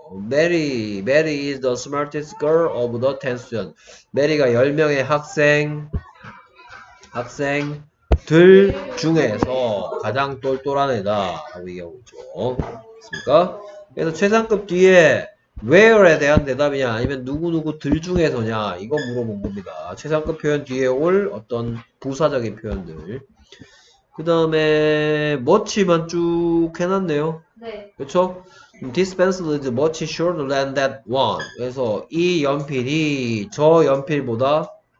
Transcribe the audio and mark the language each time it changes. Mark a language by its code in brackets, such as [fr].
[en] Mary is the smartest girl of the 10 students. [ko] Mary가 10명의 학생들 중에서 가장 똘똘한 애다. 하고 얘기하고 있죠. 됐습니까? 그래서 최상급 뒤에 where에 대한 대답이냐, 아니면 누구누구들 중에서냐, 이거 물어본 겁니다. 최상급 표현 뒤에 올 어떤 부사적인 표현들. 그 다음에 much만 쭉 해놨네요. 네. 그쵸? [en] This pencil is much shorter than that one. [ko] 그래서 이 연필이 저 연필보다